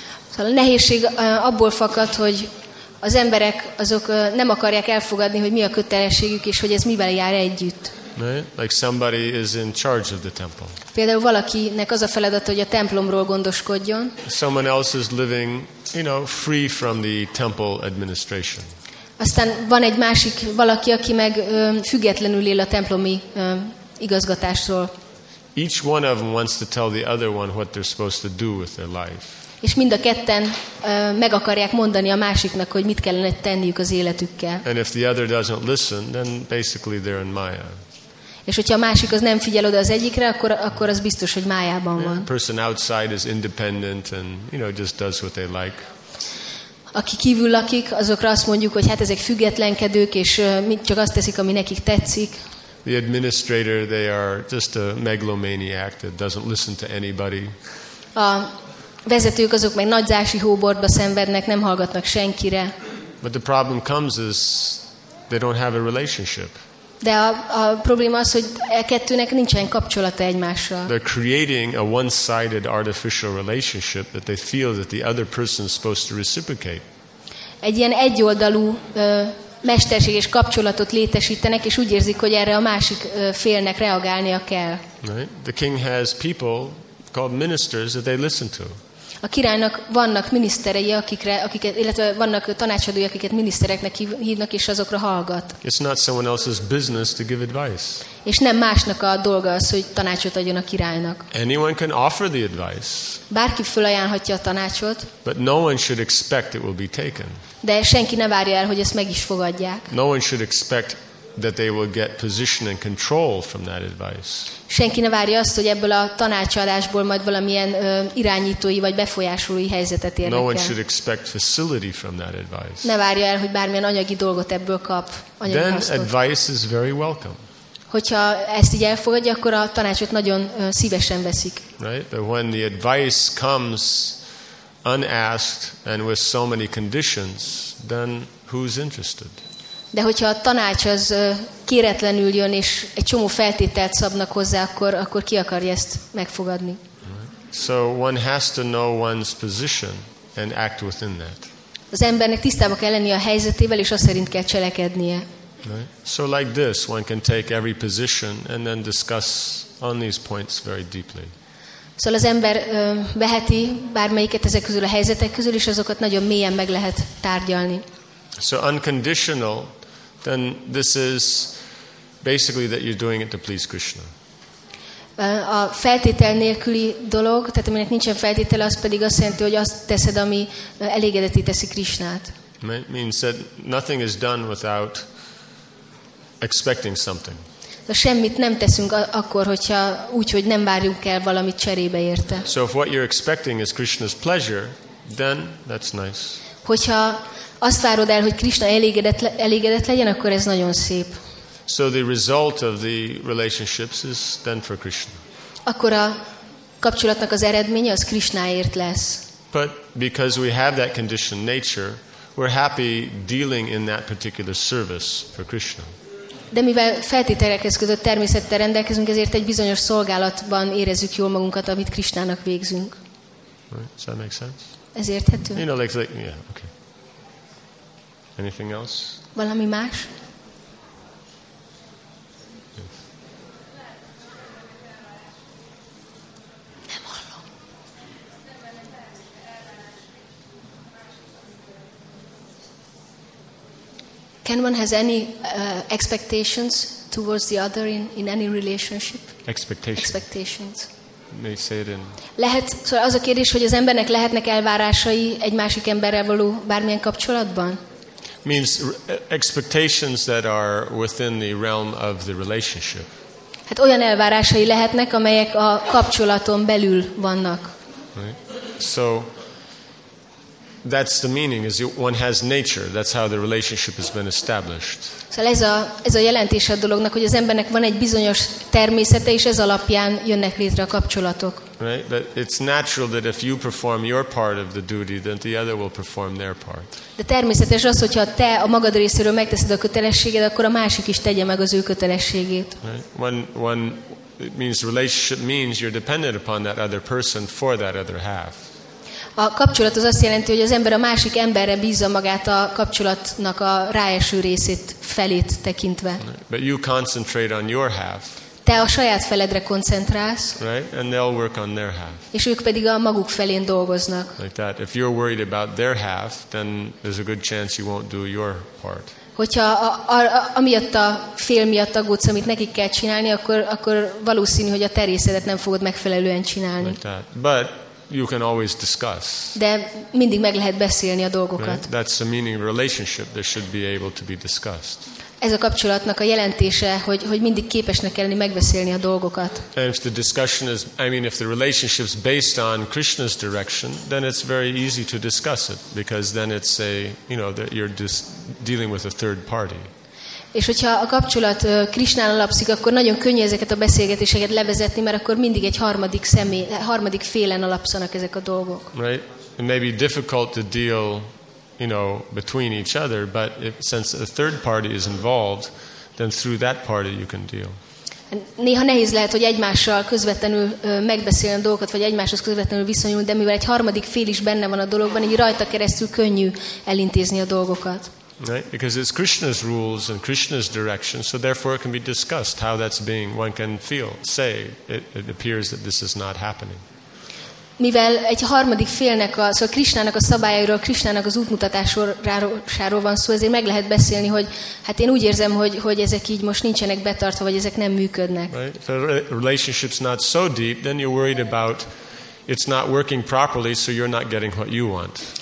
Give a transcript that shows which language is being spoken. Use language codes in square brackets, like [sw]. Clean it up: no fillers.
[hu] Szóval a nehézség abból fakad, hogy az emberek azok nem akarják elfogadni, hogy mi a kötelességük és hogy ez mivel jár együtt. [en] Like somebody is in charge of the temple. [hu] Például valakinek az a feladata, hogy a templomról gondoskodjon. [en] Someone else is living, you know, free from the temple administration. [hu] Aztán van egy másik valaki, aki meg függetlenül él a templomi igazgatásról. [en] Each one of them wants to tell the other one what they're supposed to do with their life. [hu] És mind a ketten meg akarják mondani a másiknak, hogy mit kellene tenniük az életükkel. [en] And if the other doesn't listen, then basically they're in Maya. [hu] És hogyha a másik az nem figyel oda az egyikre, akkor az biztos, hogy májában van. [en] The person outside is independent and, you know, just does what they like. [hu] Aki kívül lakik, azokra azt mondjuk, hogy hát ezek függetlenkedők, és mit csak azt teszik, ami nekik tetszik. [en] The administrator, they are just a megalomaniac that doesn't listen to anybody. [hu] A vezetők azok meg nagyzási hóbortba szenvednek, nem hallgatnak senkire. [en] But the problem comes is they don't have a relationship. [hu] De a probléma az, hogy a kettőnek nincsen kapcsolata egymással. [en] They're creating a one-sided artificial relationship that they feel that the other person is supposed to reciprocate. [hu] Egy ilyen egyoldalú mesterséges kapcsolatot létesítenek, és úgy érzik, hogy erre a másik félnek reagálnia kell. [en] Right? The king has people called ministers that they listen to. [hu] A királynak vannak miniszterei, akiket, illetve vannak tanácsadói, akiket minisztereknek hívnak, és azokra hallgat. [en] It's not someone else's business to give advice. [hu] És nem másnak a dolga az, hogy tanácsot adjon a királynak. [en] Anyone can offer the advice. [hu] Bárki fölajánlhatja a tanácsot. [en] But no one should expect it will be taken. [hu] De senki ne várja el, hogy ezt meg is fogadják. [en] No one should expect that they will get position and control from that advice. [hu] Senki ne várja azt, hogy ebből a tanácsadásból majd valamilyen irányítói vagy befolyásolói helyzetet érjen. [en] No one should expect facility from that advice. [hu] Ne várja el, hogy bármilyen anyagi dolgot ebből kap. [en] Then advice is very welcome. [hu] Hogyha ezt így elfogadja, akkor a tanácsot nagyon szívesen veszik. [en] Right? But when the advice comes unasked and with so many conditions, then who's interested? [hu] De hogyha a tanács az kéretlenül jön, és egy csomó feltételt szabnak hozzá, akkor ki akarja ezt megfogadni? [en] So one has to know one's position and act within that. [hu] Az embernek tisztában kell lennie a helyzetével, és aszerint kell cselekednie. [en] So like this, one can take every position and then discuss on these points very deeply. [hu] Szóval az ember beheti bármelyiket ezek közül a helyzetek közül, és azokat nagyon mélyen meg lehet tárgyalni. [en] So unconditional, then this is basically that you're doing it to please Krishna. [hu] A feltétel nélküli dolog, tehát aminek nincsen feltétele, az pedig azt jelenti, hogy azt teszed, ami elégedetté teszi Krishnát. [en] It means that nothing is done without expecting something. [hu] De semmit nem teszünk akkor, hogyha úgy, hogy nem várjuk el valamit cserébe érte. [en] So if what you're expecting is Krishna's pleasure, then that's nice. [hu] Hogyha azt várod el, hogy Krishna elégedett legyen, akkor ez nagyon szép. [en] So the result of the relationships is then for Krishna. [hu] Akkor a kapcsolatnak az eredménye az Krishnáért lesz. [en] But because we have that conditioned nature, we're happy dealing in that particular service for Krishna. [hu] De mivel feltételekhez kötött természettel rendelkezünk, ezért egy bizonyos szolgálatban érezzük jól magunkat, amit Krishnának végzünk. [en] Right. Does that make sense? [hu] Ez érthető? [en] You know, like, yeah, okay. Anything else? [hu] Valami más? [en] Can one has any expectations towards the other in any relationship? Expectations. May say it in. [hu] Lehet, szóval az a kérdés, hogy az embernek lehetnek elvárásai egy másik emberrel való bármilyen kapcsolatban? [en] Means expectations that are within the realm of the relationship. [hu] Hát olyan elvárásai lehetnek, amelyek a kapcsolaton belül vannak. [en] Right. So that's the meaning, is one has nature. That's how the relationship has been established. [hu] Szóval ez a jelentése a dolognak, hogy az embernek van egy bizonyos természete, és ez alapján jönnek létre a kapcsolatok. [en] Right, but it's natural that if you perform your part of the duty, then the other will perform their part. [hu] De természetes az, hogyha te a magad részéről megteszed a kötelességed, akkor a másik is tegye meg az ő kötelességét. [en] Right. One it means relationship means you're dependent upon that other person for that other half. [hu] A kapcsolat az azt jelenti, hogy az ember a másik emberre bízza magát a kapcsolatnak a ráeső részét felét tekintve. [en] But you concentrate on your half. [hu] te a saját feledre koncentrálsz. [en] Right? And they'll work on their half. [hu] És ők pedig a maguk felén dolgoznak. [en] Like that. If you're worried about their half, then there's a good chance you won't do your part. [hu] Hogyha amiatt a fél miatt aggódsz, amit nekik kell csinálni, akkor valószínű, hogy a te részedet nem fogod megfelelően csinálni. [en] Like that. But you can always discuss. [hu] De mindig meg lehet beszélni a dolgokat. [en] Right? That's the meaning of relationship. There should be able to be discussed. [hu] Ez a kapcsolatnak a jelentése, hogy mindig képesnek kellni megbeszélni a dolgokat. [en] And if the discussion is, I mean, if the relationship is based on Krishna's direction, then it's very easy to discuss it, because then it's a, you know, that you're just dealing with a third party. [hu] És hogyha a kapcsolat Krishnán alapszik, akkor nagyon könnyű ezeket a beszélgetéseket levezetni, mert akkor mindig egy harmadik félen alapszanak ezek a dolgok. [en] Right? It may be difficult to deal, you know, between each other, but if, since a third party is involved, then through that party you can deal. [hu] Néha nehéz lehet, hogy egymással közvetlenül megbeszélni a dolgokat, vagy egymáshoz közvetlenül viszonyul, de mivel egy harmadik fél is benne van a dologban, így rajta keresztül könnyű elintézni a dolgokat. [en] Right? Because it's Krishna's rules and Krishna's direction, so therefore it can be discussed how that's being, one can feel, say, it appears that this is not happening. [hu] Mivel egy harmadik félnek, szóval Krisnának a szabályairól, Krisnának az útmutatásáról van szó, ezért meg lehet beszélni, hogy hát én úgy érzem, hogy ezek így most nincsenek betartva, vagy ezek nem működnek. [en] Right? The relationship's not so deep, then you're worried about it's not working properly, so you're not getting what you want.